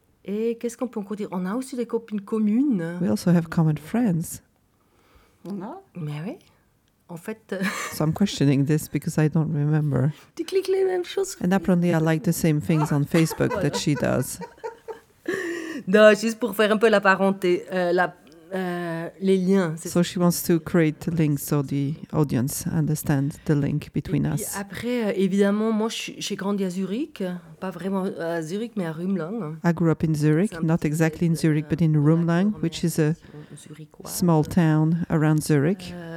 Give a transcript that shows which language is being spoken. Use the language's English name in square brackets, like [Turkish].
[French] Et qu'est-ce qu'on peut encore dire? On a aussi des copines communes. [English] We also have common friends. [French] On a? Mais oui. En fait, [English] so I'm questioning this because I don't remember. [French] Tu cliques les mêmes choses. [English] And apparently, I like the same things on Facebook that she does. [French] Non, juste pour faire un peu la parenté, les liens. [English] C'est so she wants to create links so the audience understands the link between [French] et [English] us. [French] Après, évidemment, moi, j'ai grandi à Zurich, pas vraiment à Zurich, mais à Rümlang. [English] I grew up in Zurich, not exactly in Zurich, but in Rümlang, which is a small town around Zurich.